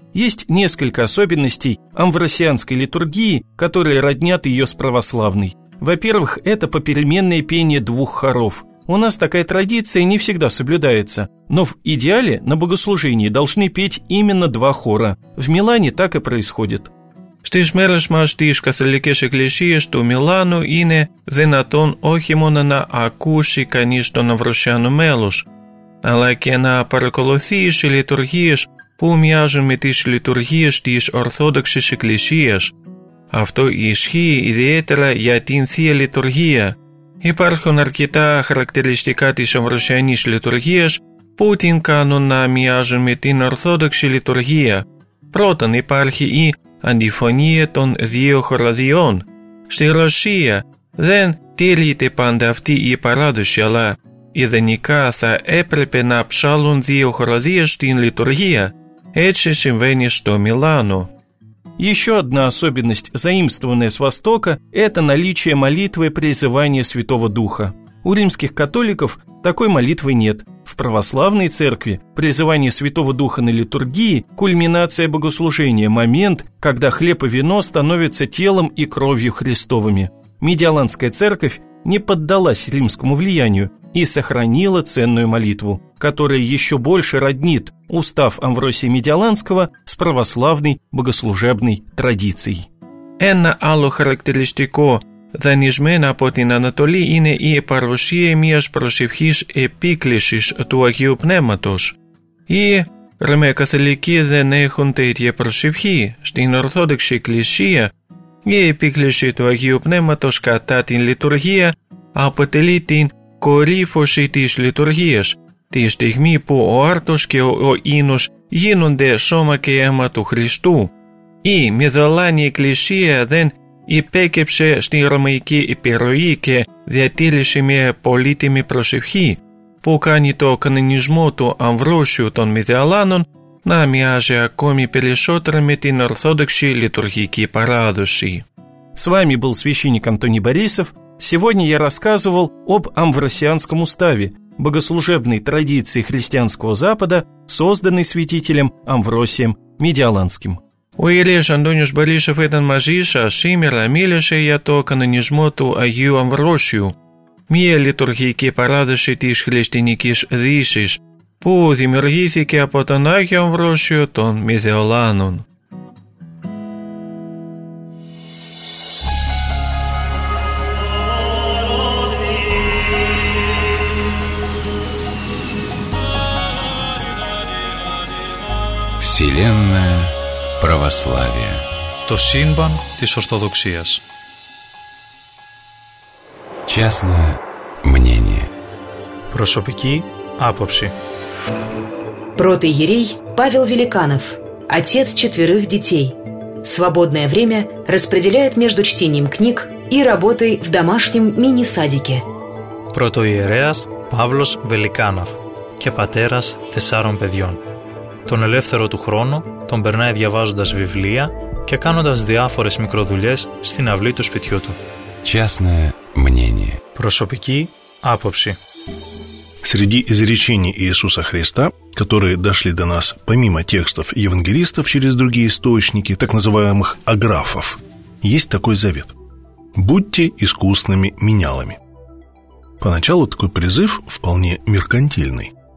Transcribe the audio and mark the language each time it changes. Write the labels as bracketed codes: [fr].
[ru] Есть несколько особенностей амвросианской литургии, которые роднят ее с православной. Во-первых, это попеременное пение двух хоров. У нас такая традиция не всегда соблюдается, но в идеале на богослужении должны петь именно два хора. В Милане так и происходит. [el] Στις μέρες μας τις καθολικές εκκλησίες του Μιλάνου είναι δυνατόν όχι μόνο να ακούσει κανείς τον Αμβροσιάνο μέλος, αλλά και να παρακολουθήσει λειτουργίες που μοιάζουν με τις λειτουργίες της Ορθόδοξης Εκκλησίας. Αυτό ισχύει ιδιαίτερα για την Θεία Λειτουργία. Υπάρχουν αρκετά χαρακτηριστικά της Αμβροσιανής Λειτουργίας που την κάνουν να μοιάζουν με την Ορθόδοξη Λειτουργία. Πρώτον υπάρχει η αντιφωνία των δύο χωραδιών. Στη Ρωσία δεν τηρείται πάντα αυτή η παράδοση, αλλά ιδανικά θα έπρεπε να ψάλουν δύο χωραδία στην λειτουργία. Έτσι συμβαίνει στο Μιλάνο. [ru] Еще одна особенность, заимствованная с Востока, это наличие молитвы призывания Святого Духа. У римских католиков такой молитвы нет. В православной церкви призывание Святого Духа на литургии – кульминация богослужения, момент, когда хлеб и вино становятся телом и кровью Христовыми. Медиоланская церковь не поддалась римскому влиянию и сохранила ценную молитву, которая еще больше роднит устав Амвросия Медиоланского с православной богослужебной традицией. [el] ένα άλλο χαρακτηριστικό δανεισμένο από την Ανατολή είναι η παρουσία μιας προσευχής επίκλησης του Αγίου Πνεύματος. Οι ρωμαιοκαθολικοί δεν έχουν τέτοια προσευχή. Στην Ορθόδοξη Εκκλησία η επίκληση του Αγίου Πνεύματος κατά την λειτουργία αποτελεί την κορύφωση της λειτουργίας, τη στιγμή που ο άρτος και ο ίνος γίνονται σώμα και αίμα του Χριστού. Η Μυδωλάνη Εκκλησία δεν υπέκυψε στην ρωμαϊκή επιρροή και διατήρησε μια πολύτιμη προσευχή που κάνει το κανονισμό του Αμβρόσιου των Μυδωλάνων να μοιάζει ακόμη περισσότερο με την ορθόδοξη λειτουργική παράδοση. [ru] С вами был священник Антоний Борисов. Сегодня я рассказывал об Амвросианском уставе, богослужебной традиции христианского Запада, созданной святителем Амвросием Медиоланским. [el] Ο Ιερέας Αντώνιος Борисов ήταν μαζί σας σήμερα, μίλησε για το κανονισμό του Αγίου Αμβρόσιου, μια λειτουργική παράδοση της χριστιανικής Δύσης, που δημιουργήθηκε από τον Άγιο Αμβρόσιο των Μυδωλάνων. [ru] Вселенная православия. [el] То сынбан της ортодоксίας. [ru] Частное мнение. [el] Προσωπική άποψη. [ru] Протый Ерей Павел Великанов, отец четверых детей. Свободное время распределяет между чтением книг и работой в домашнем мини-садике. [el] Протый Ереас Павлос Великанов και πατέρας τεσσάρων παιδιών. Τον ελεύθερο του χρόνο τον περνάει διαβάζοντας βιβλία και κάνοντας διάφορες μικροδουλειές στην αυλή του σπιτιού του. [ru] Частное мнение. [el] Προσωπική άποψη. [ru] Среди изречений Иисуса Христа, которые дошли до нас помимо текстов евангелистов через другие источники, так называемых аграфов, есть такой завет. Будьте искусными менялами. Поначалу такой призыв вполне меркантильный.